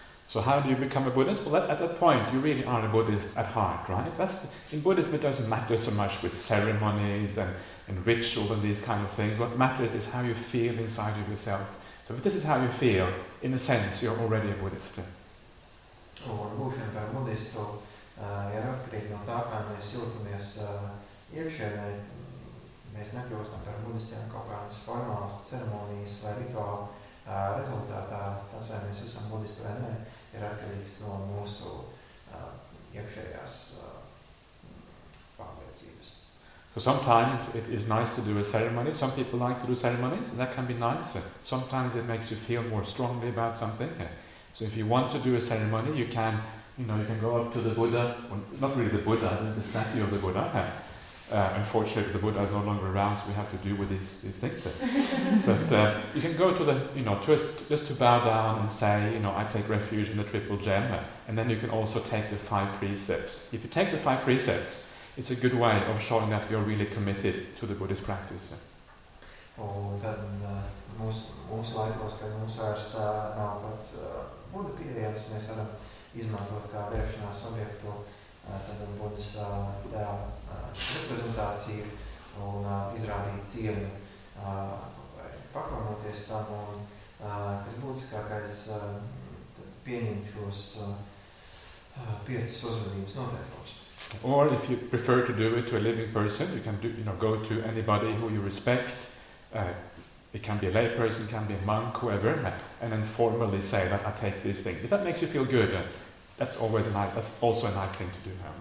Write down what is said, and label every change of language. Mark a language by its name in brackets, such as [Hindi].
[English] So how do you become a Buddhist? Well, at that point, you really are a Buddhist at heart, right? In Buddhism, it doesn't matter so much with ceremonies and rituals and these kind of things. What matters is how you feel inside of yourself. So if this is how you feel, in a sense, you're already a Buddhist. [Latvian] Un būšana par budistu ir atkarīga no tā, kā mēs jūtamies iekšēnē. Mēs nekļūstam par budistiem kaut kādas formālas ceremonijas vai rituālu rezultātā. Tas, vai mēs esam budisti vai ne, ir atkarīgs no mūsu iekšējās pārliecības. [English] So sometimes it is nice to do a ceremony. Some people like to do ceremonies, and that can be nice. Sometimes it makes you feel more strongly about something. So if you want to do a ceremony, you can, you know, you can go up to the Buddha, well, not really the Buddha, the statue of the Buddha. Unfortunately, the Buddha is no longer around, so we have to deal with these things. But you can go to the, you know, just to bow down and say, you know, I take refuge in the triple gem, and then you can also take the five precepts. If you take the five precepts, it's a good way of showing that you're really committed to the Buddhist practice. [Latvian] Tad mūsu laikos, kad mums vairs nav pats Buddha pieejams, mēs varam izmantot kā vēršanās objektu tādam Buddhas reprezentāciju un izrādīt cieņu vai pakvarnoties tam. Un, kas būtiskākais, pieņemt šos piecas uzvedības noteikumus. [English] Or if you prefer to do it to a living person, you can do, you know, go to anybody who you respect, it can be a layperson, it can be a monk, whoever, and then formally say that I take these things. If that makes you feel good, that's always a nice, that's also a nice thing to do.